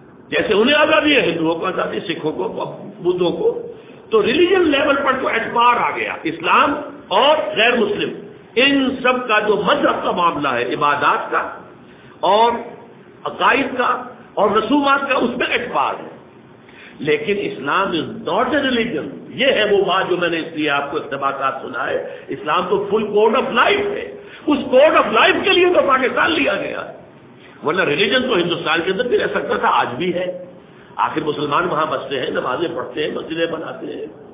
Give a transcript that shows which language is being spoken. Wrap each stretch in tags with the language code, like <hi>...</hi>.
<ur>جیسے انہیں آزادی ہے, ہندوؤں کو آزادی, سکھوں کو, بدھوں کو. تو ریلیجن لیول پر تو اعتبار آ گیا. اسلام اور غیر مسلم ان سب کا جو مذہب کا معاملہ ہے, عبادات کا اور عقائد کا اور رسومات کا, اس میں اعتبار ہے. لیکن</ur> <en>Islam is not a religion.</en> <ur>یہ ہے وہ بات جو میں نے اس لیے آپ کو اقتباسات سنا ہے. اسلام تو</ur> <en>full code of life</en> <ur>ہے. اس</ur> <en>code of life</en> <ur>کے لیے تو پاکستان لیا گیا, ورنہ ریلیجن تو ہندوستان کے اندر بھی رہ سکتا تھا, آج بھی ہے. آخر مسلمان وہاں بستے ہیں, نمازیں پڑھتے ہیں, مسجدیں بناتے ہیں.</ur>